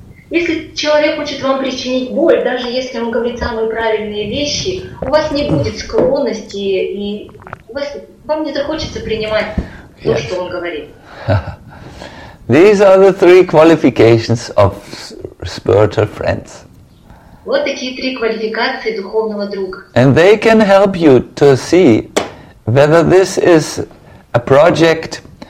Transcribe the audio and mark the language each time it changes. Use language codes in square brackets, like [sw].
[ru] Если человек хочет вам причинить боль, даже если он говорит самые правильные вещи, у вас не будет склонности, и вам не захочется принимать то, yes, что он говорит. [en] These are the three qualifications of spiritual friends. [ru] Вот такие три квалификации духовного друга. [en] And they can help you to see whether this is a project.